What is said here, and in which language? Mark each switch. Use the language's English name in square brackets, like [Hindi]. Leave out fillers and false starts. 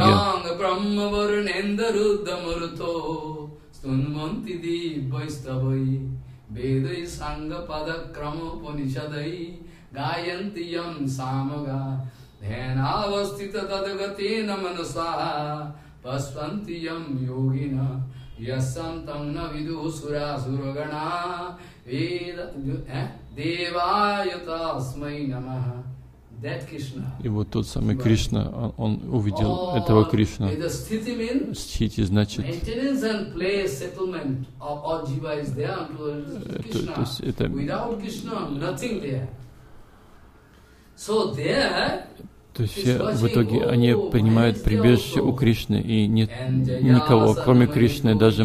[Sanskrit] Jang Brahma Varunendra Damruto Stunmanti Dibhaisthavai Vedai Sangha Padakrama Upanishadai Gayanti Yam Samaga Dhenavastita tadgati namanasa paspantiyam yogina yasantam navidu sura suragana veda devayata asmai namaha. [English] That Krishna. [Russian] И вот тот самый Кришна, он увидел этого Кришна. Стхити значит... [English] Maintenance and place settlement of all jiva is there until Krishna. Without Krishna, nothing there. So there... [Russian] То есть в итоге они принимают прибежище у Кришны, и нет никого, кроме Кришны, даже